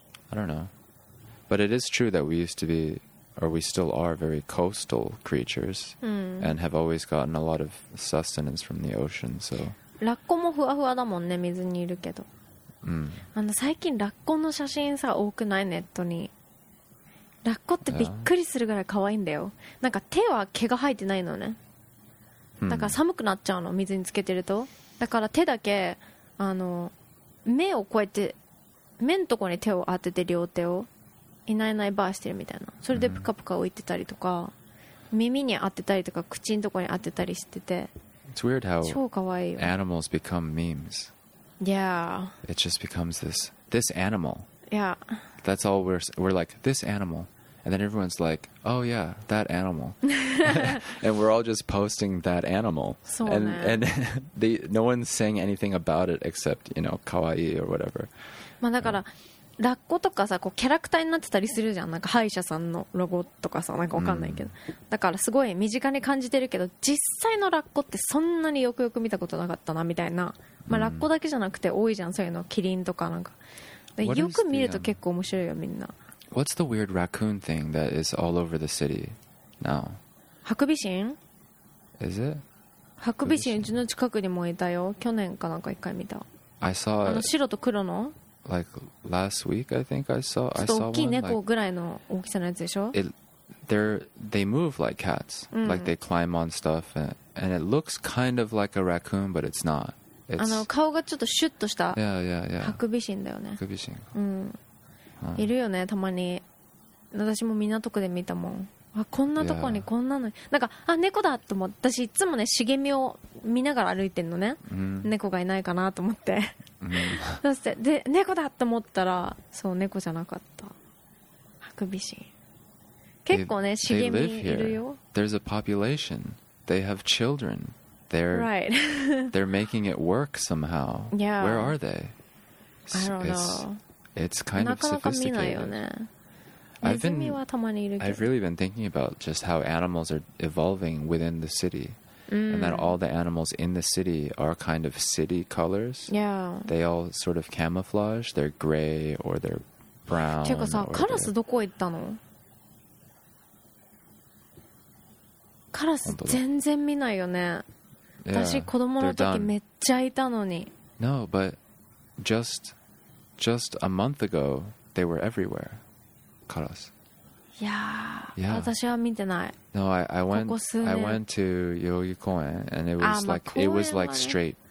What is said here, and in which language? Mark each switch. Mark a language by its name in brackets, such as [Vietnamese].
[English] I don't know. But it is true that we used to be, or we still are, very coastal creatures and have always gotten a lot of sustenance from the ocean, so... [Japanese] ラッコもふわふわだもんね、水にいるけど。あの、最近ラッコの写真さ、多くない？ネットに。ラッコってびっくりするぐらい可愛いんだよ。なんか手は毛が生えてないのね。だから寒くなっちゃうの、水につけてると。だから手だけ、あの、目をこうやって、目のとこに手を当てて両手をいないないバーしてるみたいな、それでプカプカ浮いてたりとか、耳に当てたりとか口のとこに当てたりしてて、 [English] It's weird how [Japanese] 超かわいいよ。 [English] Animals become memes. Yeah. It just becomes this animal. Yeah. That's all we're like, this animal. And then everyone's like, oh yeah, that animal. And we're all just posting that animal. [Japanese] そうね。 [English] And they, no one's saying anything about it except, you know, かわいい or whatever. [Japanese] まあ、だからラッコとかさ、こうキャラクターになってたりするじゃん、なんか歯医者さんのロゴとかさ、なんか分かんないけど、だからすごい身近に感じてるけど、実際のラッコってそんなによくよく見たことなかったなみたいな、まあ、ラッコだけじゃなくて多いじゃんそういうの、キリンとかなんか、でよく見ると結構面白いよみんな。 [English] What's the weird raccoon thing that is all over the city now? [Japanese] ハクビシン？ [English] Is it? [Japanese] ハクビシン、うちの近くにもいたよ去年かなんか一回見た。 [English] I saw [Japanese] あの白と黒の [English] Like last week, I think I saw one. [Japanese] ちょっと大きい猫ぐらいの大きさのやつでしょ? [English] They move like cats. Like they climb on stuff. And it looks kind of like a raccoon, but it's not. [Japanese] あの顔がちょっとシュッとした。 [English] Yeah. [Japanese] ハクビシンだよね。ハクビシン。いるよね、たまに。私も港区で見たもん。あ、こんなとこにこんなの。なんか、あ、猫だと思って。私いつもね、茂みを見ながら歩いてんのね。猫がいないかなと思って。そしてで猫だと思ったら、そう猫じゃなかった。ハクビシン。結構ね、茂みいるよ。 [English] There's a population. They have children. They're right. They're making it work somehow. Yeah. Where are they? I don't know. It's kind of sophisticated. [Japanese] なかなか見ないよね。 [English] I've really been thinking about just how animals are evolving within the city. And that all the animals in the city are kind of city colors. Yeah. They all sort of camouflage. They're gray or they're brown. [Japanese] てかさ、カラスどこ行ったの？カラス全然見ないよね。 [English] Yeah, [Japanese] 私子供の時めっちゃいたのに。 [English] No, but just a month ago, they were everywhere. [Japanese] カラス。いや、私は見てない。 [English] No, I went to 代々木公園 and it was like straight